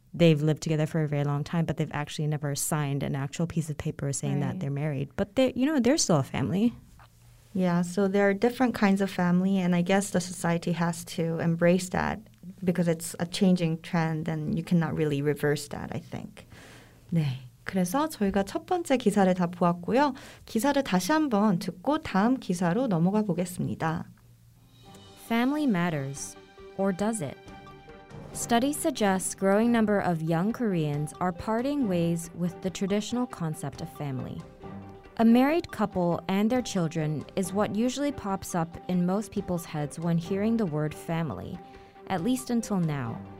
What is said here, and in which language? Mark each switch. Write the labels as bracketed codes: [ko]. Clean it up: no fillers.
[en] they've lived together for a very long time, but they've actually never signed an actual piece of paper saying right. that they're married. But, they, you know, they're still a family. Yeah, so there are different kinds of family, and I guess the society has to embrace that because it's a changing trend, and you cannot really reverse that, I think. [ko] 네, 그래서 저희가 첫 번째 기사를 다 보았고요. 기사를 다시 한번 듣고 다음 기사로 넘어가 보겠습니다. [en] Family matters, or does it? Studies suggest growing number of young Koreans are parting ways with the traditional concept of family. A married couple and their children is what usually pops up in most people's heads when hearing the word family, at least until now.